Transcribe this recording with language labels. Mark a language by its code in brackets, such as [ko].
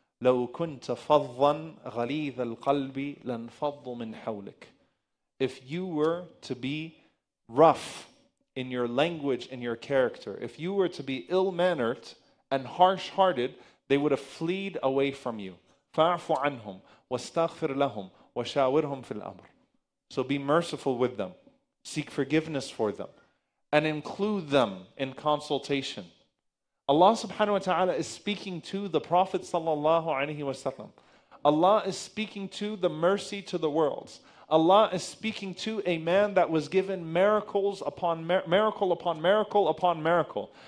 [ar] لَوْ كُنْتَ فَضًّا غَلِيظَ الْقَلْبِ لَنْفَضُّ مِنْ حَوْلِكَ [en] If you were to be rough in your language, in your character, if you were to be ill-mannered and harsh-hearted, they would have fled away from you. [ar] فَاعْفُ عَنْهُمْ وَاسْتَغْفِرْ لَهُمْ وَشَاوِرْهُمْ فِي الْأَمْرِ [en] So be merciful with them. Seek forgiveness for them. And include them in consultation. Allah subhanahu wa ta'ala is speaking to the Prophet sallallahu alayhi wa sallam. Allah is speaking to the mercy to the worlds. Allah is speaking to a man that was given miracles upon miracle upon miracle upon miracle.